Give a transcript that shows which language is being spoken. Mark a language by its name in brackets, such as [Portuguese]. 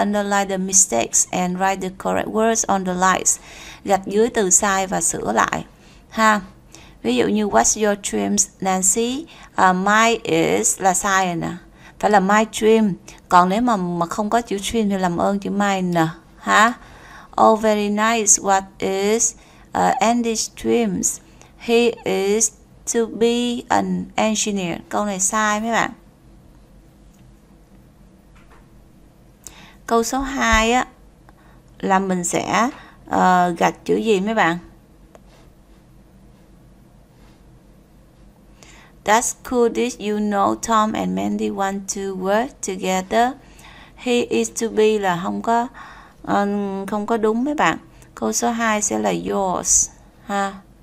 [English] Underline the mistakes and write the correct words on the lines. [Vietnamese] Gạch dưới từ sai và sửa lại ha. Ví dụ như [English] what's your dreams Nancy, my is [Vietnamese] là sai rồi nè, phải là [English] my dream. [Vietnamese] Còn nếu mà không có chữ dream thì làm ơn chữ my nè ha. [English] Oh very nice, what is Andy's dreams, he is to be an engineer. [Vietnamese] Câu này sai mấy bạn. Câu số 2 á là mình sẽ gạch chữ gì mấy bạn? [English] That's cool, did you know Tom and Mandy want to work together? He is to be [Vietnamese] là không có đúng mấy bạn. Câu số 2 sẽ là yours ha.